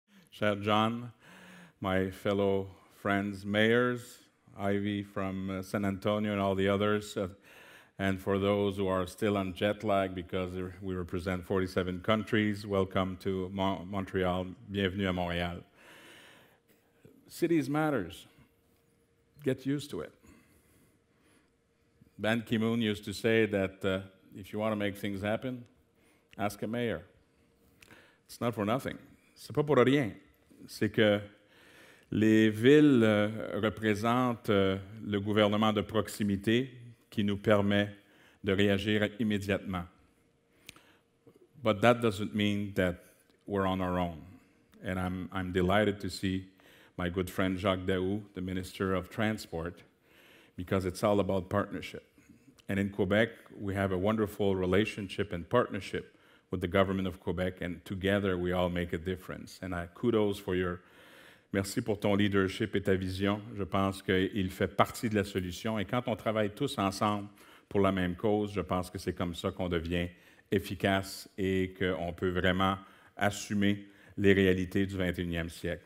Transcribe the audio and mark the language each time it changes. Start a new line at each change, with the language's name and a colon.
English: Cher John, my fellow friends, mayors, Ivy from San Antonio and all the others, and for those who are still on jet lag because we represent 47 countries, welcome to Montreal,
French: bienvenue à Montréal.
English: Cities matters. Get used to it. Ban Ki-moon used to say that if you want to make things happen, ask a mayor. It's not for nothing.
French: C'est pas pour rien. C'est que les villes représentent le gouvernement de proximité qui nous permet de réagir immédiatement.
English: But that doesn't mean that we're on our own. And I'm delighted to see my good friend Jacques Daou, the Minister of Transport, because it's all about partnership. And in Quebec, we have a wonderful relationship and partnership with the government of Quebec, and together we all make a difference. And kudos for your
French: merci pour ton leadership et ta vision. Je pense qu'il fait partie de la solution. Et quand on travaille tous ensemble pour la même cause, je pense que c'est comme ça qu'on devient efficace et qu'on peut vraiment assumer les réalités du 21e siècle.